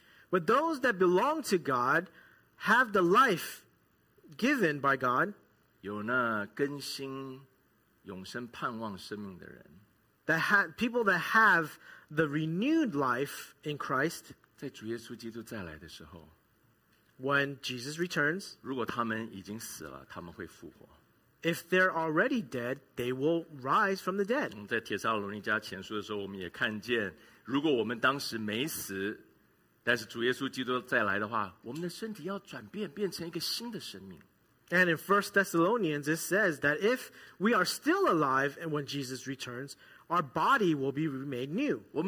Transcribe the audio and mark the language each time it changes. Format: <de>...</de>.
<en>but those that belong to God have the life given by God,</en> <zh>有那更新永生盼望生命的人,</zh> <en>that people that have the renewed life in Christ,</en> <zh>在主耶稣基督再来的时候,</zh> <en>when Jesus returns,</en> <zh>如果他们已经死了,</zh> <en>if they're already dead, they will rise from the dead.</en> <zh>在帖撒罗尼迦前书的时候,我们也看见, 如果我们当时没死, 但是主耶稣基督再来的话, 我们的身体要转变, 变成一个新的生命。</zh> <en>And in 1 Thessalonians, it says that if we are still alive and when Jesus returns, our body will be made new.</en>